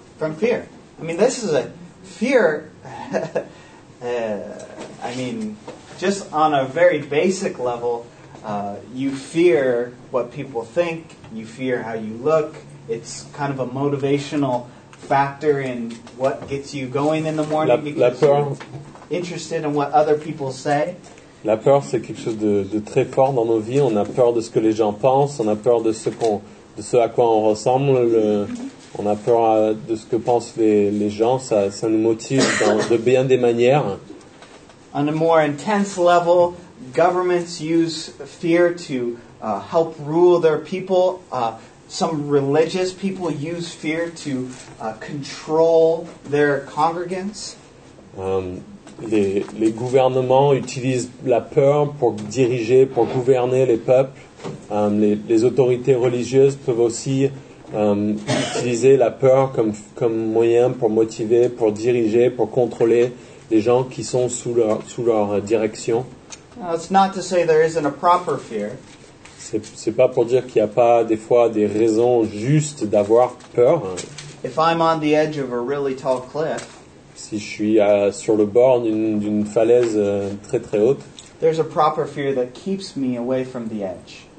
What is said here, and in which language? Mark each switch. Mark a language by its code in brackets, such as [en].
[en] From fear. I mean, this is a fear. I mean, just on a very basic level, you fear what people think. You fear how you look. It's kind of a motivational factor in what gets you going in the morning because you're interested in what other people say. [fr] La peur, c'est quelque chose de très fort dans nos vies. On a peur de ce que les gens pensent. On a peur de ce à quoi on ressemble. On a peur de ce que pensent les gens. Ça nous motive de bien des manières. [en] On a more intense level, governments use fear to help rule their people. Some religious people use fear to control their congregants. [fr] les gouvernements utilisent la peur pour diriger, pour gouverner les peuples. Les autorités religieuses peuvent aussi utiliser la peur comme moyen pour motiver, pour diriger, pour contrôler les gens qui sont sous leur direction. [en] Now, it's not to say there isn't a proper fear. [fr] C'est pas pour dire qu'il n'y a pas des fois des raisons justes d'avoir peur. [en] If I'm on the edge of a really tall cliff, [fr] si je suis sur le bord d'une falaise très très haute, [en] there's a proper fear that keeps me away from the edge.